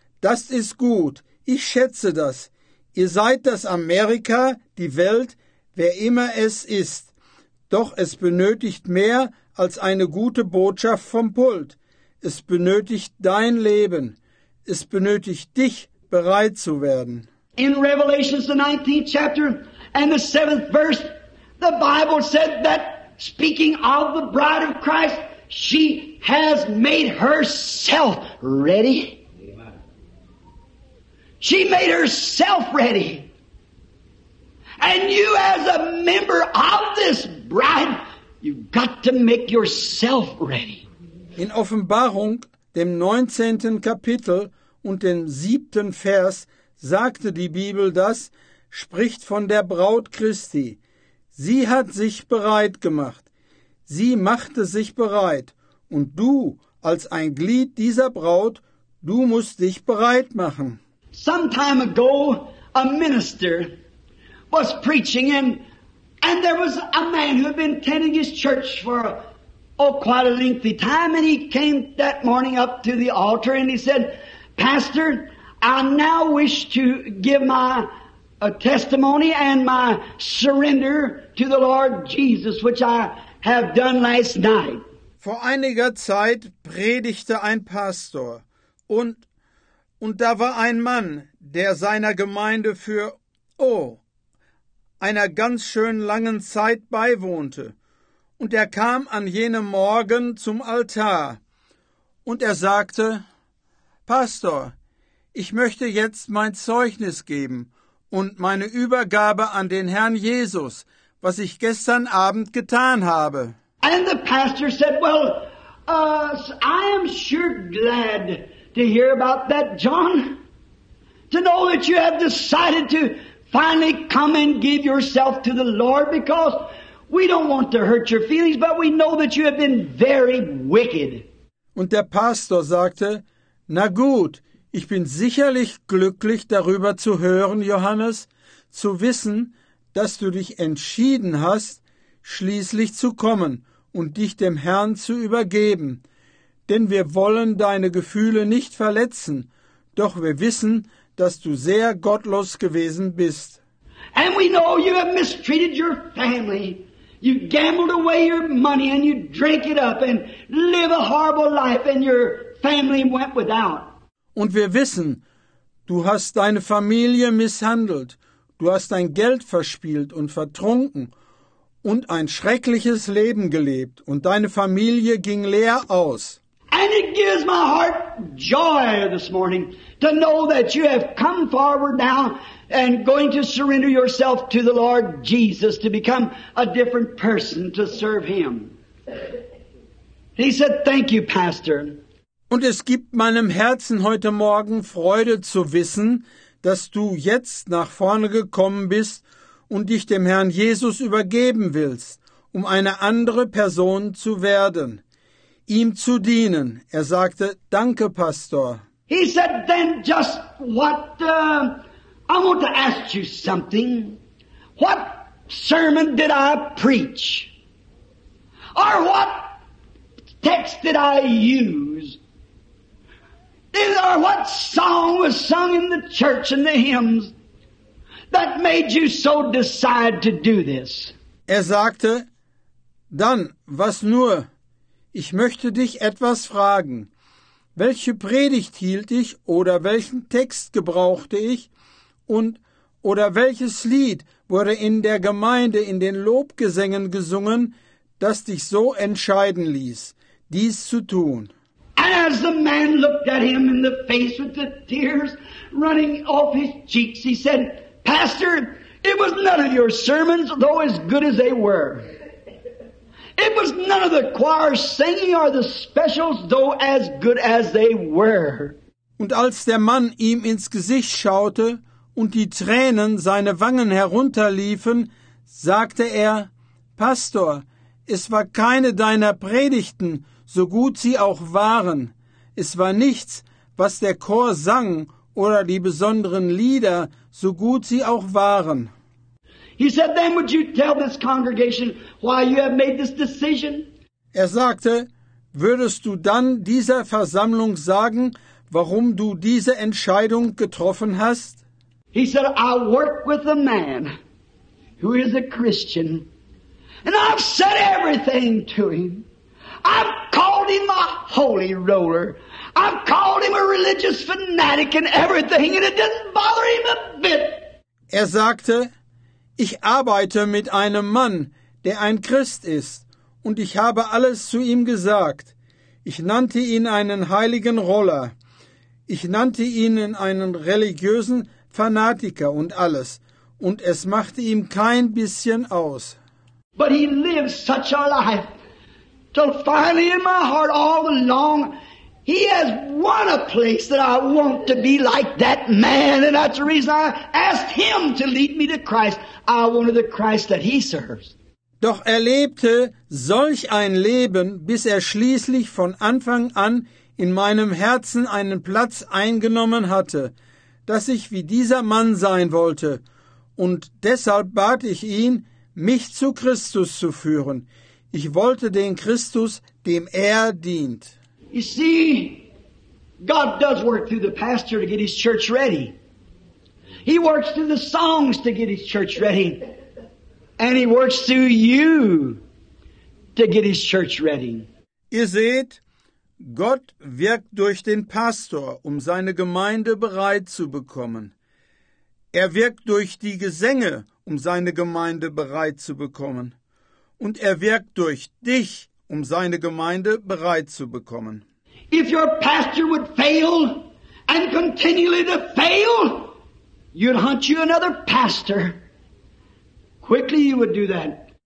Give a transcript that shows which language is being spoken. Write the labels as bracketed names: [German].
[German] Das ist gut. Ich schätze das. Ihr seid das Amerika, die Welt, wer immer es ist. Doch es benötigt mehr als eine gute Botschaft vom Pult. Es benötigt dein Leben. Es benötigt dich, bereit zu werden. [English] In Revelation, the 19th chapter and the 7th verse, the Bible said that, speaking of the bride of Christ, she has made herself ready. She made herself ready. And you as a member of this bride, you've got to make yourself ready. [German] In Offenbarung, dem 19. Kapitel und dem 7. Vers, sagte die Bibel das, spricht von der Braut Christi. Sie hat sich bereit gemacht. Sie machte sich bereit. Und du, als ein Glied dieser Braut, du musst dich bereit machen. [English] Some time ago, a minister was preaching, and there was a man who had been attending his church for quite a lengthy time, and he came that morning up to the altar, and he said, Pastor, I now wish to give my testimony and my surrender to the Lord Jesus, which I have done last night. [German] Vor einiger Zeit predigte ein Pastor, und da war ein Mann, der seiner Gemeinde für, einer ganz schön langen Zeit beiwohnte. Und er kam an jenem Morgen zum Altar. Und er sagte, Pastor, ich möchte jetzt mein Zeugnis geben und meine Übergabe an den Herrn Jesus, was ich gestern Abend getan habe. [English] And the pastor said, well, I am sure glad to hear about that, John. To know that you have decided to finally come and give yourself to the Lord, because we don't want to hurt your feelings, but we know that you have been very wicked. [German] Und der Pastor sagte, na gut, ich bin sicherlich glücklich darüber zu hören, Johannes, zu wissen, dass du dich entschieden hast, schließlich zu kommen und dich dem Herrn zu übergeben. Denn wir wollen deine Gefühle nicht verletzen, doch wir wissen, dass du sehr gottlos gewesen bist. [English] And we know you have mistreated your family. You gambled away your money and you drank it up and live a horrible life and you're family went without. [German] Und wir wissen, du hast deine Familie misshandelt, du hast dein Geld verspielt und vertrunken und ein schreckliches Leben gelebt und deine Familie ging leer aus. [English] And it gives my heart joy this morning to know that you have come forward now and going to surrender yourself to the Lord Jesus to become a different person to serve him. He said, thank you, Pastor. [German] Und es gibt meinem Herzen heute Morgen Freude zu wissen, dass du jetzt nach vorne gekommen bist und dich dem Herrn Jesus übergeben willst, um eine andere Person zu werden, ihm zu dienen. Er sagte, danke, Pastor. [English] He said, then just what, I want to ask you something. What sermon did I preach? Or what text did I use? Or what song was sung in the church and the hymns that made you so decide to do this? [German] Er sagte, dann, was nur? Ich möchte dich etwas fragen. Welche Predigt hielt ich oder welchen Text gebrauchte ich? Und oder welches Lied wurde in der Gemeinde in den Lobgesängen gesungen, das dich so entscheiden ließ, dies zu tun? [English] As the man looked at him in the face with the tears running off his cheeks, he said, Pastor, it was none of your sermons, though as good as they were. It was none of the choir singing or the specials, though as good as they were. [German] Und als der Mann ihm ins Gesicht schaute und die Tränen seine Wangen herunterliefen, sagte er, Pastor, es war keine deiner Predigten, so gut sie auch waren. Es war nichts, was der Chor sang oder die besonderen Lieder, so gut sie auch waren. [English] He said, then would you tell this congregation why you have made this decision? [German] Er sagte, würdest du dann dieser Versammlung sagen, warum du diese Entscheidung getroffen hast? [English] He said, I work with a man who is a Christian, and I've said everything to him. I've called him a holy roller. I've called him a religious fanatic and everything, and it didn't bother him a bit. [German] Er sagte, ich arbeite mit einem Mann, der ein Christ ist, und ich habe alles zu ihm gesagt. Ich nannte ihn einen heiligen Roller. Ich nannte ihn einen religiösen Fanatiker und alles, und es machte ihm kein bisschen aus. [English] But he lives such a life, till finally in my heart all along, he has won a place that I want to be like that man, and that's the reason I asked him to lead me to Christ. I wanted the Christ that he serves. [German] Doch er lebte solch ein Leben, bis er schließlich von Anfang an in meinem Herzen einen Platz eingenommen hatte, dass ich wie dieser Mann sein wollte. Und deshalb bat ich ihn, mich zu Christus zu führen. Ich wollte den Christus, dem er dient. [English] You see, God does work through the pastor to get his church ready. He works through the songs to get his church ready. And he works through you to get his church ready. [German] Ihr seht, Gott wirkt durch den Pastor, um seine Gemeinde bereit zu bekommen. Er wirkt durch die Gesänge, um seine Gemeinde bereit zu bekommen. Und er wirkt durch dich, um seine Gemeinde bereit zu bekommen. [English] If your pastor would fail and continually to fail, you'd hunt you another pastor. Quickly you would do that.